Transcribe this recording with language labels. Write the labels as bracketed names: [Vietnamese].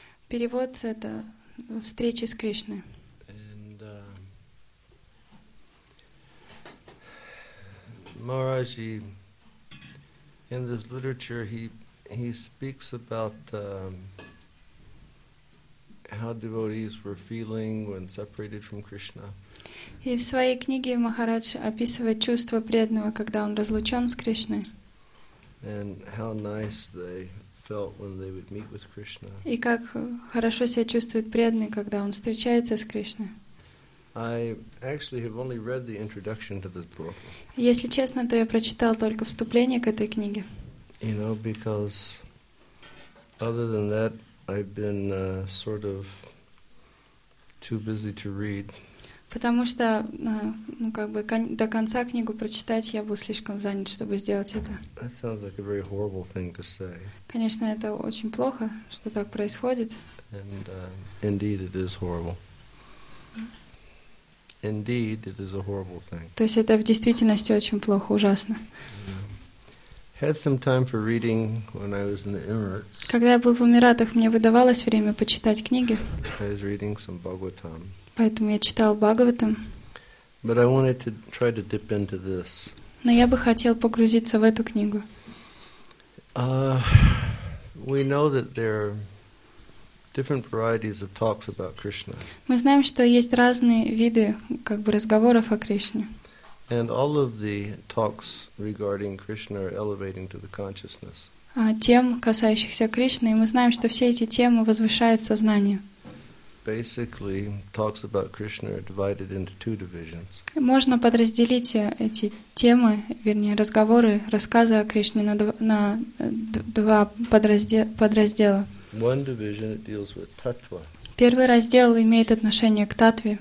[Russian] Перевод это встречи с Кришной. [English] And Maharaji, in this literature, he speaks about how devotees were feeling when separated from Krishna. [Russian] И в своей книге Махарадж описывает чувства преданного, когда он разлучен с Кришной. [English] And how nice they felt when they would meet with Krishna. [Russian] И как хорошо себя чувствует преданный, когда он встречается с Кришной. [English] I actually have only read the introduction to this book. [Russian] Если честно, то я прочитал только вступление к этой книге. [English] You know, because other than that, I've been sort of too busy to read. [Russian] Потому что, ну, как бы, до конца книгу прочитать я был слишком занят, чтобы сделать это. [English] That sounds like a very horrible thing to say. [Russian] Конечно, это очень плохо, что так происходит. [English] And indeed it is horrible. Indeed it is a horrible thing. [Russian] То есть это в действительности очень плохо, ужасно. [English] Had some time for reading when I was in the Emirates. [Russian] Когда я был в Эмиратах, мне выдавалось время почитать книги. [English] I was reading some Bhagavatam. [Russian] Поэтому я читал Бхагаватам. [English] But I wanted to try to dip into this. [Russian] Но я бы хотел погрузиться в эту книгу. [English] We know that there are different varieties of talks about Krishna. [Russian] Мы знаем, что есть разные виды, как бы, разговоров о Кришне. [English] And all of the talks regarding Krishna are elevating to the consciousness. [Russian] Тем, касающихся Кришны, и мы знаем, что все эти темы возвышают сознание. [English] Basically, talks about Krishna are divided into two divisions. [Russian] Можно подразделить эти темы, вернее, разговоры, рассказы о Кришне на два подраздела. [English] One division deals with tattva. [Russian] Первый раздел имеет отношение к таттве.